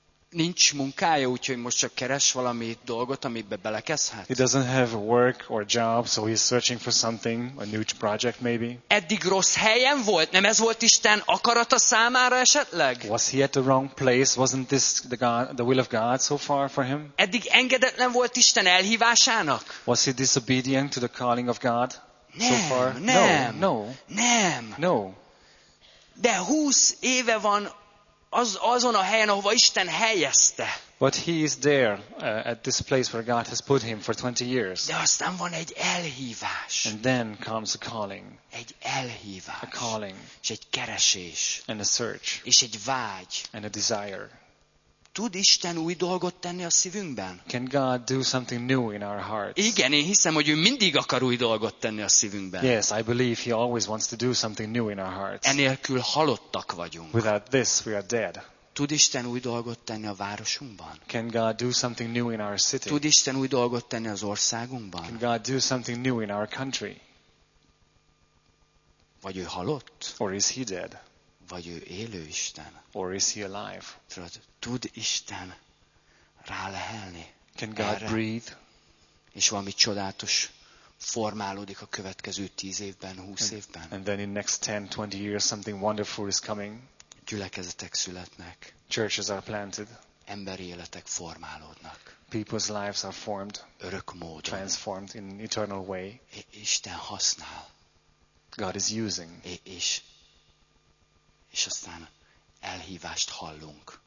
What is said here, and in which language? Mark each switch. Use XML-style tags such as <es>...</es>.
<hu>Nincs munkája, úgyhogy most csak keres valami dolgot, amibe belekezhet.</hu> <en>He doesn't have work or job, so he's searching for something, a new project maybe.</en> <hu>Eddig rossz helyen volt, nem ez volt Isten akarata számára esetleg?</hu> <en>Was he at the wrong place? Wasn't this the will of God so far for him?</en> <hu>Eddig engedetlen volt Isten elhívásának?</hu> <en>Was he disobedient to the calling of God</en> <hu>nem,</hu> <en>so far?</en> <hu>Nem.</hu> <en>No.</en> <hu>Nem.</hu> <en>No.</en> <hu>De 20 éve van. Azon a helyen, ahova Isten helyezte.</hu> <en>But he is there at this place where God has put him for 20 years.</en> <hu>De aztán van egy elhívás.</hu> <en>And then comes a calling.</en> <hu>Egy elhívás.</hu> <en>A calling.</en> <hu>És egy keresés.</hu> <en>And a search.</en> <hu>És egy vágy.</hu> <en>And a desire.</en> <hu>Tud Isten új dolgot tenni a szívünkben?</hu> <en>Can God do something new in our hearts?</en> <hu>Igen, én hiszem, hogy ő mindig akar új dolgot tenni a szívünkben.</hu> <en>Yes, I believe he always wants to do something new in our hearts.</en> <hu>Enélkül halottak vagyunk.</hu> <en>Without this, we are dead.</en> <hu>Tud Isten új dolgot tenni a városunkban?</hu> <en>Can God do something new in our city?</en> <hu>Tud Isten új dolgot tenni az országunkban?</hu> <en>Can God do something new in our country?</en> <hu>Vagy ő halott?</hu> <en>Or is he dead?</en> <hu>Vagy ő élő Isten?</hu> <en>Or is he alive?</en> <hu>Tud Isten rálehelni?</hu> <en>Can God</en> <hu>erre?</hu> <en>Breathe?</en> <hu>És valami csodálatos formálódik a következő 10 évben, 20 évben?</hu> <en>And then in next 10-20 years something wonderful is coming.</en> <hu>Gyülekezetek születnek.</hu> <en>Churches are planted.</en> <hu>Emberi életek formálódnak.</hu> <en>People's lives are formed.</en> <hu>Örök módon.</hu> <en>Transformed in an eternal way.</en> <hu>Isten használ.</hu> <en>God is using.</en> <hu>És aztán elhívást hallunk.</hu>